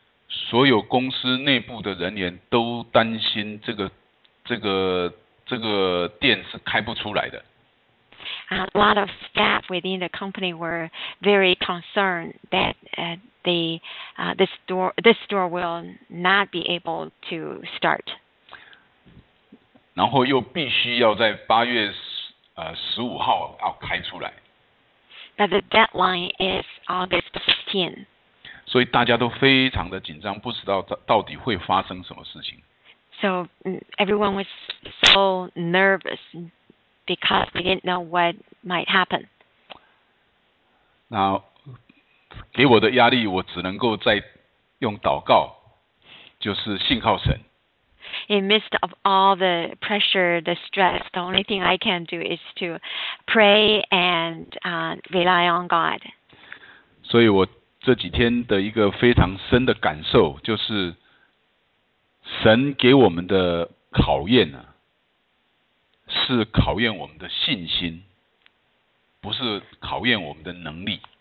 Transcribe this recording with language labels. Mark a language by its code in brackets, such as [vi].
[zh] 所有公司内部的人员都担心这个店是开不出来的。 [en] A lot of staff within the company were very concerned that this store will not be able to start. [zh] 然后又必须要在八月十五号要开出来。 [en] But the deadline is August 15th. [zh] 所以大家都非常的紧张，不知道到底会发生什么事情。 [en] So everyone was so nervous because we didn't know what might happen. [zh] 那给我的压力，我只能够再用祷告，就是信靠神。 [en] In the midst of all the pressure, the stress, the only thing I can do is to pray and rely on God. [zh] 所以我这几天的一个非常深的感受就是神给我们的考验呢，是考验我们的信心，不是考验我们的能力。